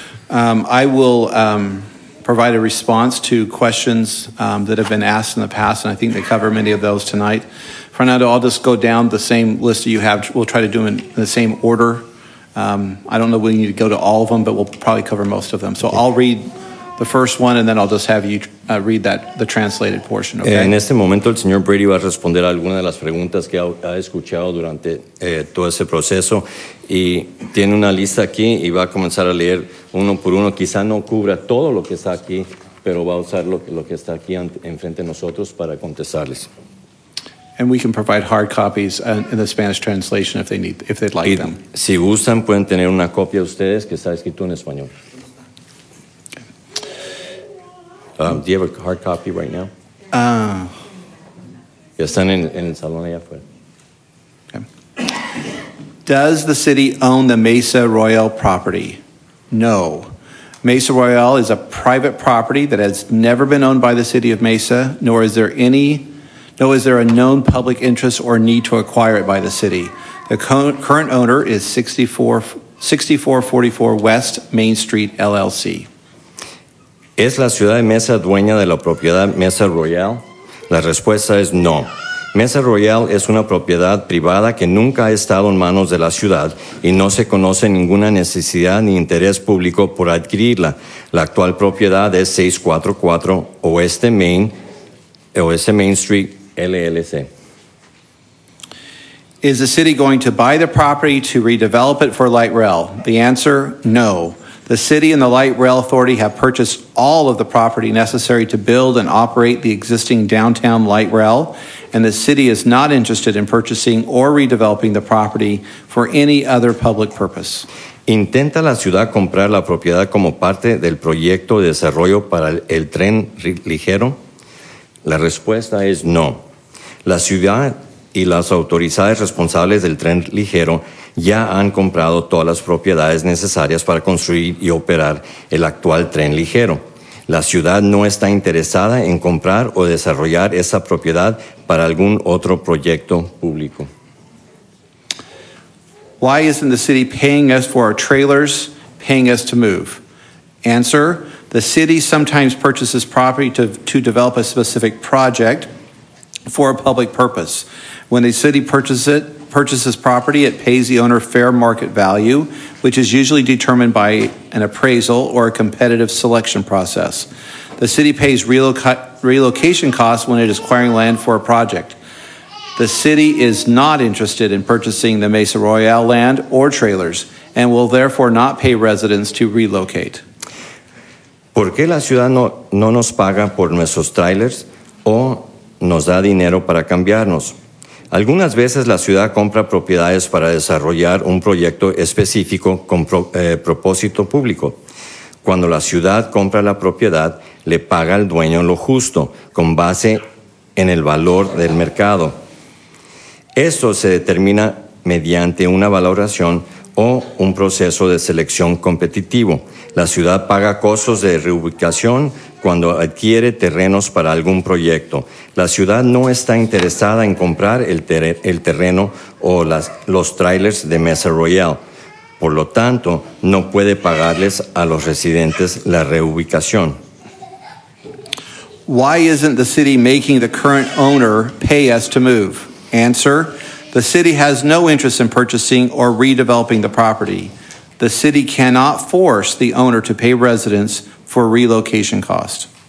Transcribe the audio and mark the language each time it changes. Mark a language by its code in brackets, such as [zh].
[en] I will provide a response to questions that have been asked in the past, and I think they cover many of those tonight. Fernando, I'll just go down the same list that you have. We'll try to do them in the same order I don't know if we need to go to all of them, but we'll probably cover most of them. So okay. I'll read the first one, and then I'll just have you read that the translated portion, okay? [es] En este momento, el señor Brady va a responder a alguna de las preguntas que ha escuchado durante todo ese proceso. Y tiene una lista aquí, y va a comenzar a leer uno por uno. Quizá no cubra todo lo que está aquí, pero va a usar lo que está aquí enfrente de nosotros para contestarles. [en] And we can provide hard copies in the Spanish translation if they need, if they'd like them. [es] Si gustan, pueden tener una copia de ustedes que está escrito en español. [en] Do you have a hard copy right now? [es] Ya están en el salón allá afuera. [en] Okay. Does the city own the Mesa Royale property? No. Mesa Royale is a private property that has never been owned by the city of Mesa, nor is there any... No, is there a known public interest or need to acquire it by the city? The current owner is 6444 West Main Street, LLC. [es] ¿Es la ciudad de Mesa dueña de la propiedad Mesa Royale? La respuesta es no. Mesa Royale es una propiedad privada que nunca ha estado en manos de la ciudad y no se conoce ninguna necesidad ni interés público por adquirirla. La actual propiedad es 644 Oeste Main Street, LLC. [en] Is the city going to buy the property to redevelop it for light rail? The answer, no. The city and the light rail authority have purchased all of the property necessary to build and operate the existing downtown light rail, and the city is not interested in purchasing or redeveloping the property for any other public purpose. [es] ¿Intenta la ciudad comprar la propiedad como parte del proyecto de desarrollo para el tren ligero? La respuesta es no. La ciudad y las autoridades responsables del tren ligero ya han comprado todas las propiedades necesarias para construir y operar el actual tren ligero. La ciudad no está interesada en comprar o desarrollar esa propiedad para algún otro proyecto público. [en] Why isn't the city paying us for our trailers, paying us to move? Answer, the city sometimes purchases property to develop a specific project for a public purpose. When a city purchases property, it pays the owner fair market value, which is usually determined by an appraisal or a competitive selection process. The city pays relocation costs when it is acquiring land for a project. The city is not interested in purchasing the Mesa Royale land or trailers and will therefore not pay residents to relocate. [es] ¿Por qué la ciudad no nos paga por nuestros trailers o nos da dinero para cambiarnos? Algunas veces la ciudad compra propiedades para desarrollar un proyecto específico con propósito público. Cuando la ciudad compra la propiedad, le paga al dueño lo justo, con base en el valor del mercado. Esto se determina mediante una valoración o un proceso de selección competitivo. La ciudad paga costos de reubicación cuando adquiere terrenos para algún proyecto. La ciudad no está interesada en comprar el terreno o los trailers de Mesa Royale. Por lo tanto, no puede pagarles a los residentes la reubicación. [en] Why isn't the city making the current owner pay us to move? Answer, the city has no interest in purchasing or redeveloping the property. The city cannot force the owner to pay residents for relocation costs.